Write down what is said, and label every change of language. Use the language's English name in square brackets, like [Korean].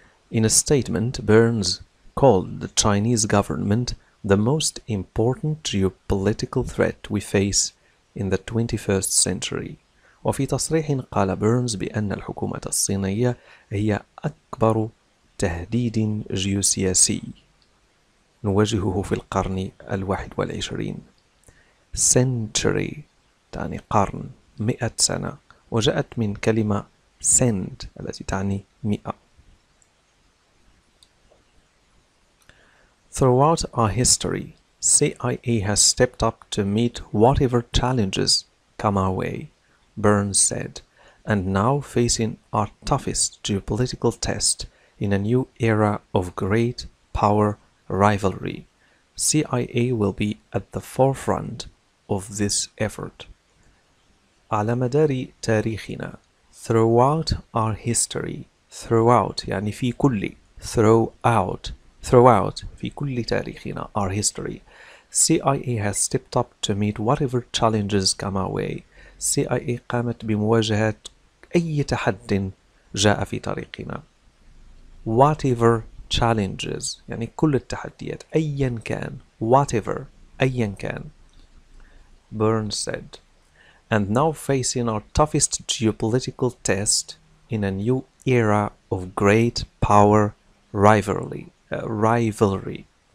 [English] In a statement, Burns called the Chinese government the most important geopolitical threat we face in the 21st century. [Arabic] وفي تصريح قال بيرنز بأن الحكومة الصينية هي أكبر تهديد جيوسياسي نواجهه في القرن 21. century تعني قرن، 100 سنة، وجاءت من كلمة send التي تعني 100. [English] Throughout our history, CIA has stepped up to meet whatever challenges come our way, Burns said, and now facing our toughest geopolitical test in a new era of great power rivalry, CIA will be at the forefront of this effort. [Arabic] على مدار تاريخنا, [English] throughout our history, throughout [Arabic] يعني في كل, [English] throughout Throughout [Arabic] في كل تاريخنا [English] our history CIA has stepped up to meet whatever challenges come our way. [Arabic] CIA قامت بمواجهة أي تحد جاء في طريقنا. [English] whatever challenges [Arabic] يعني كل التحديات أيا كان. [English] whatever [Arabic] أيا كان. [English] Burns said and now facing our toughest geopolitical test in a new era of great power rivalry. Rivalry